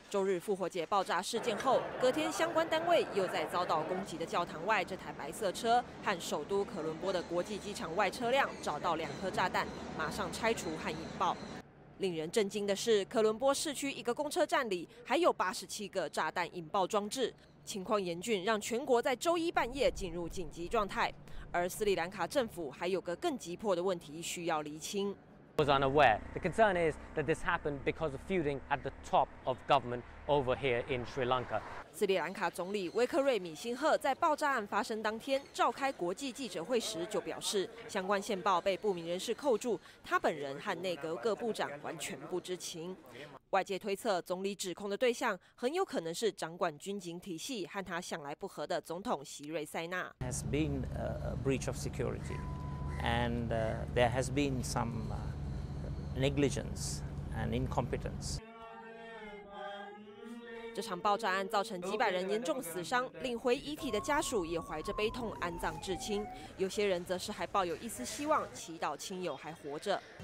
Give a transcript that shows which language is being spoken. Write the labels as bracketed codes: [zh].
[zh] 周日复活节爆炸事件后，隔天相关单位又在遭到攻击的教堂外，这台白色车和首都可伦坡的国际机场外车辆找到2颗炸弹，马上拆除和引爆。令人震惊的是，可伦坡市区一个公车站里还有87个炸弹引爆装置。情况严峻，让全国在周一半夜进入紧急状态。而斯里兰卡政府还有个更急迫的问题需要厘清。 [en] was unaware. The concern is that this happened because of feuding at the top of government over here in Sri Lanka. [zh] 斯里兰卡总理威克瑞米辛赫在爆炸案发生当天召开国际记者会时就表示，相关线报被不明人士扣住，他本人和内阁各部长完全不知情。外界推测，总理指控的对象很有可能是掌管军警体系和他向来不和的总统席瑞塞纳。 [en] Has been a breach of security, and there has been some negligence and incompetence. [zh] 这场爆炸案造成几百人严重死伤，领回遗体的家属也怀着悲痛安葬至亲，有些人则是还抱有一丝希望，祈祷亲友还活着。